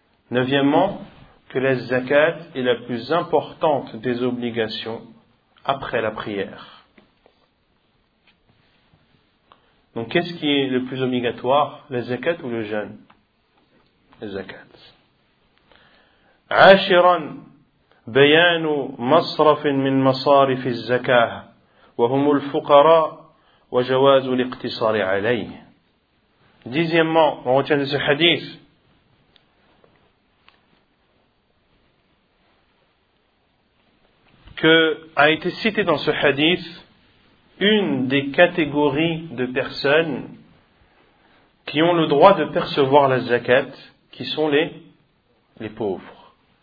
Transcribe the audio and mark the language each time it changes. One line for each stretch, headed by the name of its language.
French: Neuvièmement, que la zakat est la plus importante des obligations après la prière. Donc qu'est-ce qui est le plus obligatoire, la zakat ou le jeûne?
Arabic: الزكاه. عاشرا بيان مصرف من مصارف الزكاه وهم الفقراء وجواز الاقتصار عليه.
French: Dixièmement, on retient de ce hadith que a été cité dans ce hadith une des catégories de personnes qui ont le droit de percevoir la zakat, qui sont les pauvres.